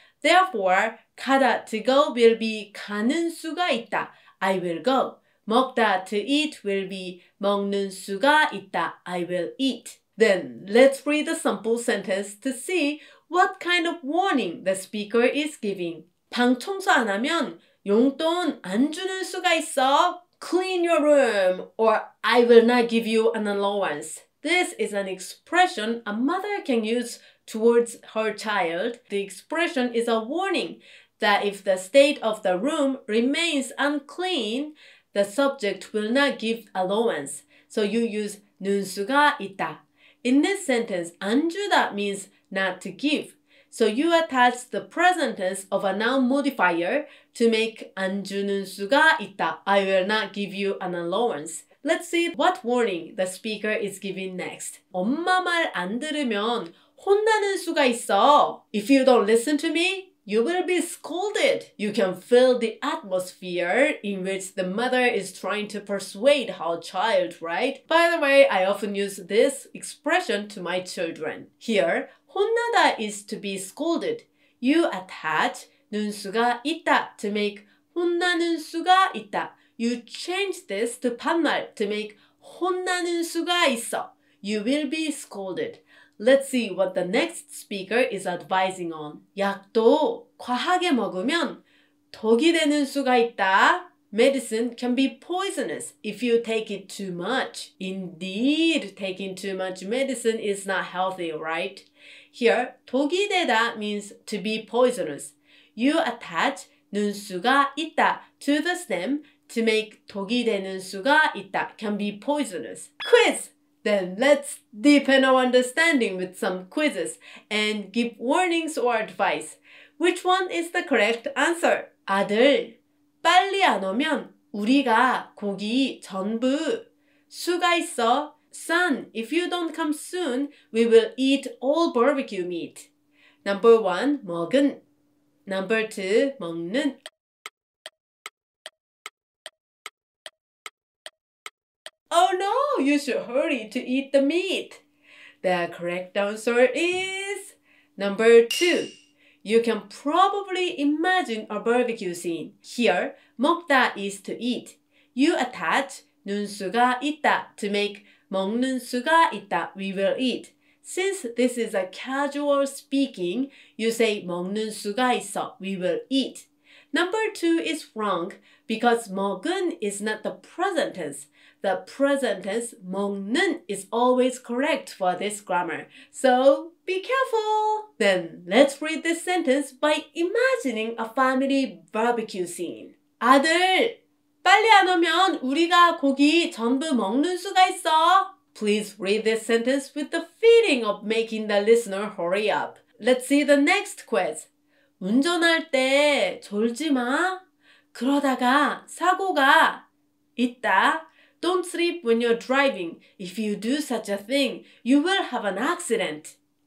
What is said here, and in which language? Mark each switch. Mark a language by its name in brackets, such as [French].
[English] Therefore, 가다 to go will be 가는 수가 있다, I will go. 먹다 to eat will be 먹는 수가 있다, I will eat. Then let's read the sample sentence to see what kind of warning the speaker is giving. [Korean] 방 청소 안 하면 용돈 안 주는 수가 있어. [English] Clean your room or I will not give you an allowance. This is an expression a mother can use towards her child. The expression is a warning that if the state of the room remains unclean, the subject will not give allowance. So you use 눈 수가 있다. In this sentence, 안 주다 means not to give. So you attach the present tense of a noun modifier to make 안 주는 수가 있다. I will not give you an allowance. Let's see what warning the speaker is giving next. [Korean] 엄마 말 안 들으면 혼나는 수가 있어. [English] If you don't listen to me, you will be scolded. You can feel the atmosphere in which the mother is trying to persuade her child, right? By the way, I often use this expression to my children. Here, 혼나다 is to be scolded. You attach 눈 수가 있다 to make 혼나는 수가 있다. You change this to 반말 to make 혼나는 수가 있어. You will be scolded. Let's see what the next speaker is advising on. [Korean] 약도 과하게 먹으면 독이 되는 수가 있다. [English] Medicine can be poisonous if you take it too much. Indeed, taking too much medicine is not healthy, right? Here, 독이 되다 means to be poisonous. You attach 눈 수가 있다 to the stem to make 독이 되는 수가 있다 can be poisonous. Quiz! Then let's deepen our understanding with some quizzes and give warnings or advice. Which one is the correct answer? [Korean] 아들, 빨리 안 오면 우리가 고기 전부 수가 있어. [English] Son, if you don't come soon, we will eat all barbecue meat. Number one, 먹은. Number two, 먹는. Oh no, you should hurry to eat the meat. The correct answer is number two. You can probably imagine a barbecue scene. Here, 먹다 is to eat. You attach 눈 수가 있다 to make 먹는 수가 있다, we will eat. Since this is a casual speaking, you say 먹는 수가 있어, we will eat. Number two is wrong because 먹은 is not the present tense. The present tense 먹는 is always correct for this grammar. So be careful! Then let's read this sentence by imagining a family barbecue scene. [Korean] 아들, 빨리 안 오면 우리가 고기 전부 먹는 수가 있어. [English] Please read this sentence with the feeling of making the listener hurry up. Let's see the next quiz. [Korean] 운전할 때 졸지 마. 그러다가 사고가 있다. [English] Don't sleep when you're driving. If you do such a thing, you will have an accident.